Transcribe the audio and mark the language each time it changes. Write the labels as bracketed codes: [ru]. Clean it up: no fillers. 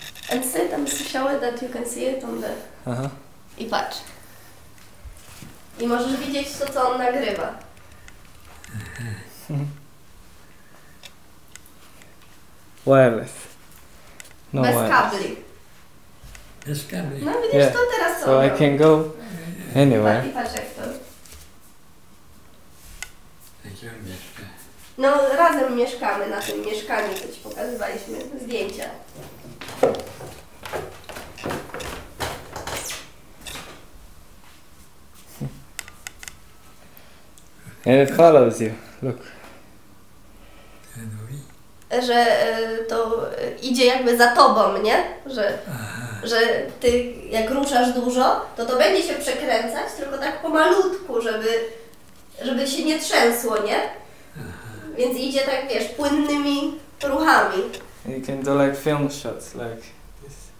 [en] And sit and show it that you can see it on the. Uh-huh. [pl] I patrz. I możesz widzieć to, co on nagrywa. [en] Wireless. No [pl] bez [en] wireless. [pl] Kabli. Bez kabli. No widzisz, [en] yeah. [pl] To teraz [en] so [pl] ono. [en] I can go. Anyway. [pl] No, razem mieszkamy na tym mieszkaniu, co ci pokazywaliśmy. Zdjęcia. [en] And it follows you. Look. [pl] Że to idzie jakby za tobą, nie? Że. Że ty jak ruszasz dużo, to to będzie się przekręcać, tylko tak pomalutku, żeby się nie trzęsło, nie? Aha. Więc idzie tak, wiesz, płynnymi ruchami. [en] You can do like film shots, like this.